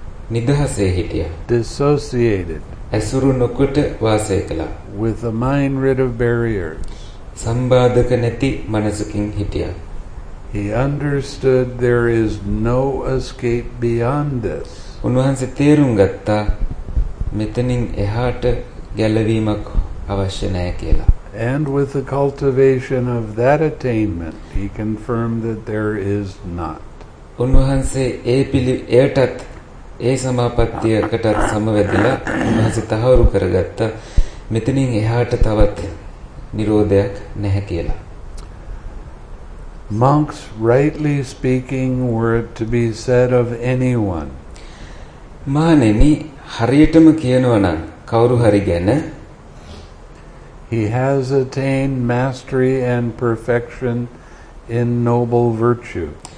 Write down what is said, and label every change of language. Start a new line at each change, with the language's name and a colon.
Sinhala: nidahase hitiya
English: dissociated
Sinhala: ඇසුරු නොකොට වාසය කළා
English: with a mind rid of barriers
Sinhala: සම්බාධක නැති මනසකින් හිටියා
English: he understood there is no escape beyond this
Sinhala: උන්වහන්සේ තේරුම් ගත්තා මෙතනින් එහාට ගැලවීමක් අවශ්‍ය නැහැ කියලා
English: and with the cultivation of that attainment he confirmed that there is not
Sinhala: උන්වහන්සේ ඒ පිළි එයටත් ඒ සමාපත්තියකට සමවැදිලා උන්වහන්සේ තහවුරු කරගත්ත මෙතනින් එහාට තවත් නිරෝධයක් නැහැ කියලා.
English: Monks rightly speaking were to be said of anyone.
Sinhala: මානෙනි හරියටම කියනවා නම් කවුරු හරි ගැන
English: he has attained mastery and perfection in noble virtue.